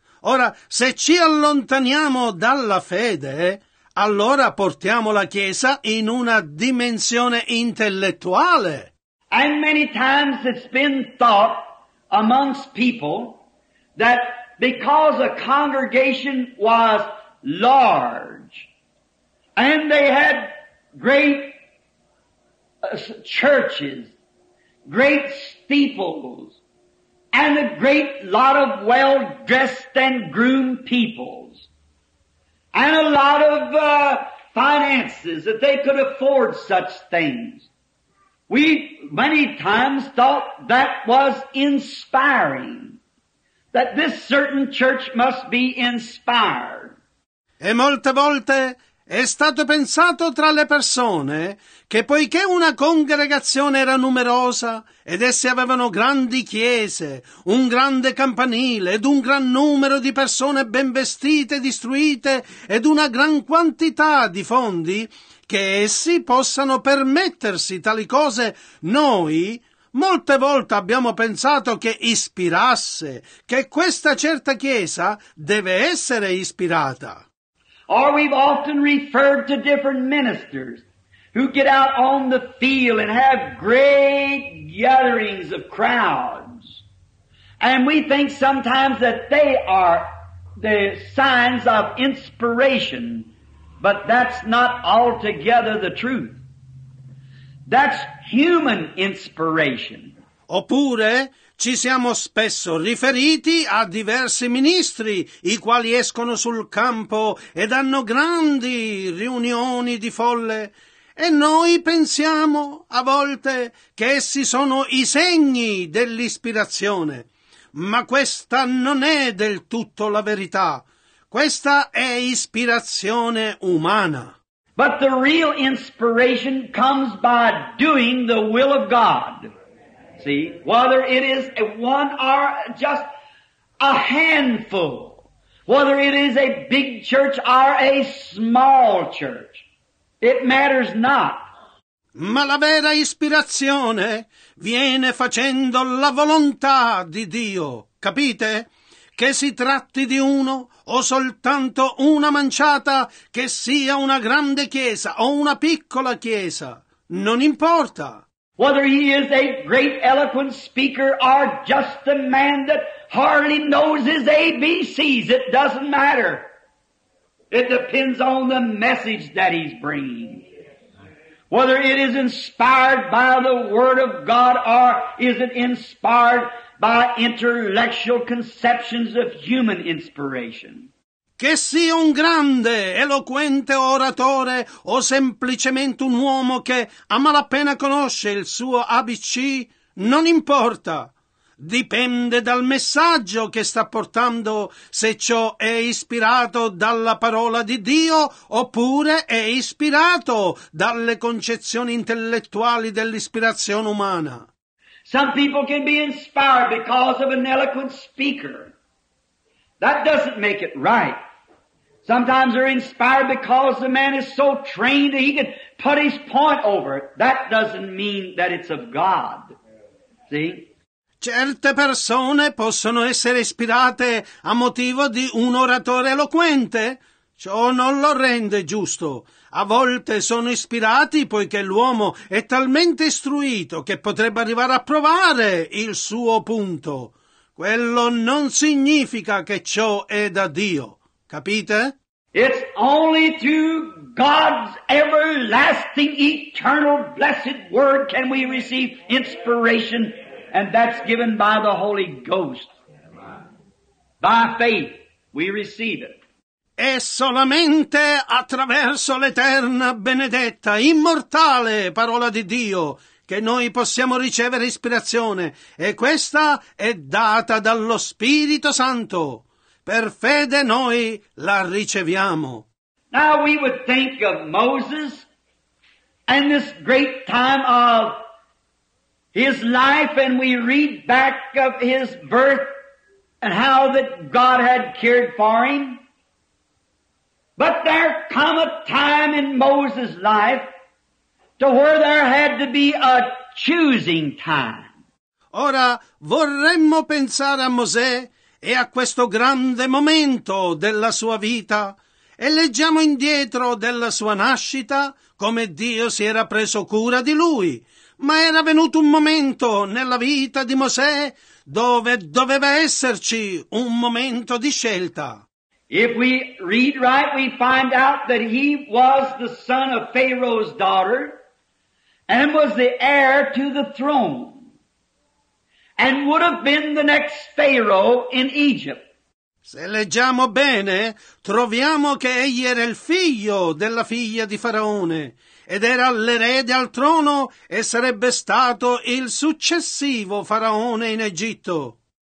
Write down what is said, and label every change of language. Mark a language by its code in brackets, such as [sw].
[it] Ora, se ci allontaniamo dalla fede, allora portiamo la Chiesa in una dimensione intellettuale. [en] And many times it's been thought amongst people that because a congregation was large and they had great churches, great steeples, and a great lot of well-dressed and groomed peoples, and a lot of finances, that they could afford such things. We many times thought that was inspiring, that this certain church must be inspired. [it] E molte volte è stato pensato tra le persone che poiché una congregazione era numerosa ed esse avevano grandi chiese, un grande campanile ed un gran numero di persone ben vestite ed istruite ed una gran quantità di fondi, che essi possano permettersi tali cose, noi molte volte abbiamo pensato che ispirasse, che questa certa chiesa deve essere ispirata. [en] Or we've often referred to different ministers who get out on the field and have great gatherings of crowds. And we think sometimes that they are the signs of inspiration. But that's not altogether the truth. That's human inspiration. [it] Oppure ci siamo spesso riferiti a diversi ministri, i quali escono sul campo ed hanno grandi riunioni di folle, e noi pensiamo a volte che essi sono i segni dell'ispirazione. Ma questa non è del tutto la verità. Questa è ispirazione umana. [en] But the real inspiration comes by doing the will of God. See, whether it is one or just a handful, whether it is a big church or a small church, it matters not. [it] Ma la vera ispirazione viene facendo la volontà di Dio, capite? Che si tratti di uno o soltanto una manciata, che sia una grande chiesa o una piccola chiesa, non importa. [en] Whether he is a great eloquent speaker or just a man that hardly knows his ABCs, it doesn't matter. It depends on the message that he's bringing. Whether it is inspired by the Word of God or is it inspired by intellectual conceptions of human inspiration. [it] Che sia un grande, eloquente oratore o semplicemente un uomo che a malapena conosce il suo ABC, non importa. Dipende dal messaggio che sta portando, se ciò è ispirato dalla parola di Dio oppure è ispirato dalle concezioni intellettuali dell'ispirazione umana. [en] Some people can be inspired because of an eloquent speaker. That doesn't make it right. Sometimes they're inspired because the man is so trained that he can put his point over it. That doesn't mean that it's of God. See? [it] Certe persone possono essere ispirate a motivo di un oratore eloquente. Ciò non lo rende giusto. A volte sono ispirati poiché l'uomo è talmente istruito che potrebbe arrivare a provare il suo punto. Quello non significa che ciò è da Dio. Capite? [en] It's only through God's everlasting, eternal, blessed word can we receive inspiration, and that's given by the Holy Ghost. By faith, we receive it. [it] È solamente attraverso l'eterna, benedetta, immortale parola di Dio che noi possiamo ricevere ispirazione, e questa è data dallo Spirito Santo. Per fede noi la riceviamo. [en] Now we would think of Moses and this great time of his life, and we read back of his birth and how that God had cared for him. But there come a time in Moses' life to where there had to be a choosing time. [it] Ora vorremmo pensare a Mosè e a questo grande momento della sua vita, e leggiamo indietro della sua nascita, come Dio si era preso cura di lui. Ma era venuto un momento nella vita di Mosè dove doveva esserci un momento di scelta. [en] If we read right, we find out that he was the son of Pharaoh's daughter and was the heir to the throne and would have been the next Pharaoh in Egypt. [it] Se leggiamo bene, troviamo che egli era il figlio della figlia di Faraone ed era l'erede al trono e sarebbe stato il successivo Faraone in Egitto.